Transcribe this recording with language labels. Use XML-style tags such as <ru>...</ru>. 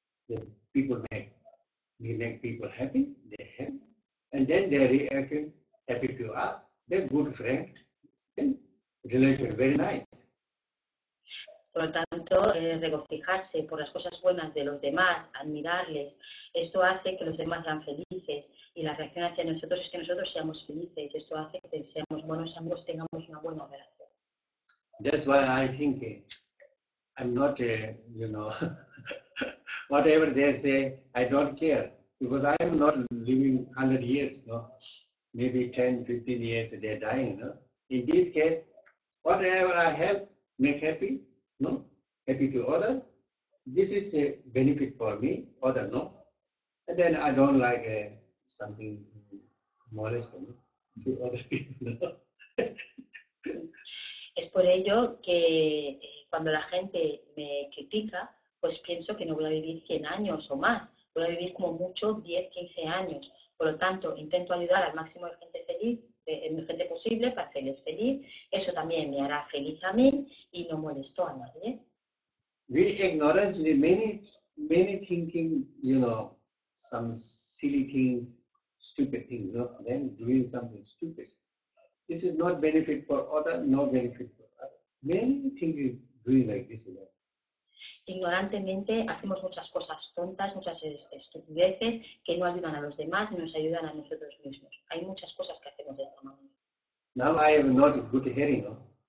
<en>That people make, we make people happy, they have, and then they react happy to us, they're good friend, and relation very nice.</en> <es>Por lo tanto, regocijarse por las cosas buenas de los demás, admirarles, esto hace que los demás sean felices y la reacción hacia nosotros es que nosotros seamos felices. Esto hace que seamos buenos amigos, tengamos una buena relación.</es> <en>That's why I think I'm not, you know, whatever they say, I don't care. Because I'm not living 100 years, no? Maybe 10, 15 years, they're dying. No? In this case, whatever I have, make happy. No, happy to other. This is a benefit for me. Other no, and then I don't like something modest to other people.</en> <es>Es por ello que cuando la gente me critica, pues pienso que no voy a vivir 100 años o más. Voy a vivir como mucho 10, 15 años. Por lo tanto, intento ayudar al máximo de gente feliz. Gente posible para hacerles feliz, eso también me hará feliz a mí y no molesto a nadie.</es> <en>We ignorance the many thinking, you know, some silly things, stupid things, no? Then doing something stupid. This is not benefit for other, no benefit for other. Many things doing like this. You know?</en> <es>Ignorantemente hacemos muchas cosas tontas, muchas estupideces que no ayudan a los demás, nos ayudan a nosotros mismos. Hay muchas cosas que hacemos de esta manera.</es> <en>Now I have not good hearing, no?</en>